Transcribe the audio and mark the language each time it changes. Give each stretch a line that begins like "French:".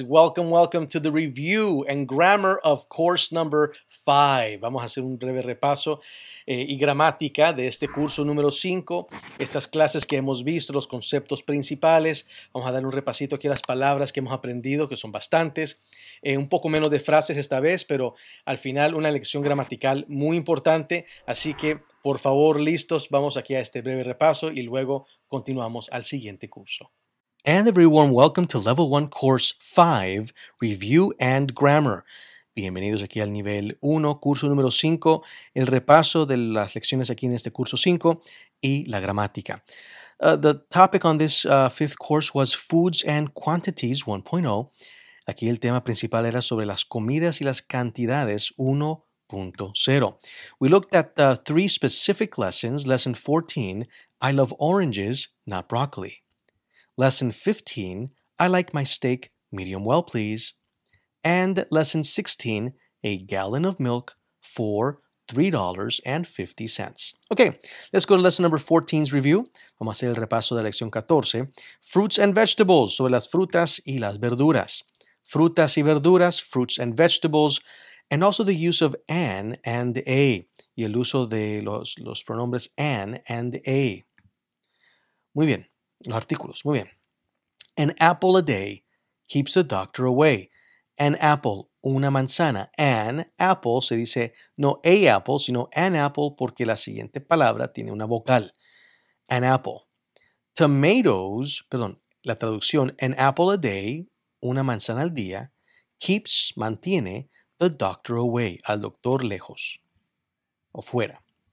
English: Welcome, welcome to the review and grammar of course number 5.
Spanish: Vamos a hacer un breve repaso y gramática de este curso número 5. Estas clases que hemos visto, los conceptos principales. Vamos a dar un repasito aquí a las palabras que hemos aprendido, que son bastantes. Un poco menos de frases esta vez, pero al final una lección gramatical muy importante. Así que, por favor, listos. Vamos aquí a este breve repaso y luego continuamos al siguiente curso.
English: And everyone, welcome to Level 1 Course 5, Review and Grammar.
Spanish: Bienvenidos aquí al nivel 1, curso número 5, el repaso de las lecciones aquí en este curso 5 y la gramática.
English: The topic on this fifth course was Foods and Quantities 1.0.
Spanish: Aquí el tema principal era sobre las comidas y las cantidades 1.0.
English: We looked at the three specific lessons. Lesson 14, I love oranges, not broccoli. Lesson 15, I like my steak medium well, please. And lesson 16, a gallon of milk for $3.50. Okay, let's go to lesson number 14's review.
Spanish: Vamos a hacer el repaso de la lección 14.
English: Fruits and vegetables,
Spanish: sobre las frutas y las verduras. Frutas y verduras,
English: fruits and vegetables, and also the use of an and a,
Spanish: y el uso de los pronombres an and a. Muy bien. Los artículos. Muy bien.
English: An apple a day keeps the doctor away. An apple,
Spanish: una manzana. An apple, se dice no a apple, sino an apple, porque la siguiente palabra tiene una vocal. An apple. Tomatoes, perdón, la traducción,
English: an apple a day,
Spanish: una manzana al día, keeps, mantiene,
English: the doctor away,
Spanish: al doctor lejos, o fuera.